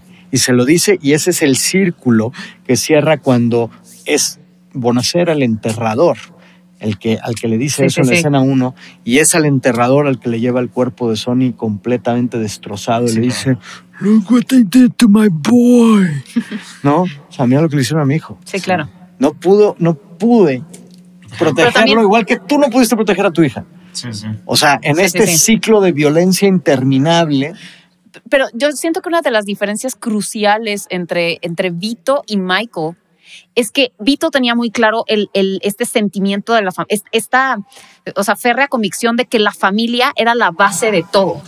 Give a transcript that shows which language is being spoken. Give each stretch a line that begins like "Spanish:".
Spanish: Y se lo dice, y ese es el círculo que cierra cuando es Bonacera el enterrador. Al que le dice eso en la escena 1, y es al enterrador al que le lleva el cuerpo de Sonny completamente destrozado. Y le dice,
English: "Look what they did to my boy."
Spanish: ¿No? O sea, mira lo que le hicieron a mi hijo. Sí, claro. No pude protegerlo, también... igual que tú no pudiste proteger a tu hija. Sí, sí. O sea, en ciclo de violencia interminable. Pero yo siento que una de las diferencias cruciales entre Vito y Michael es que Vito tenía muy claro este sentimiento de la familia, esta férrea convicción de que la familia era la base de todo.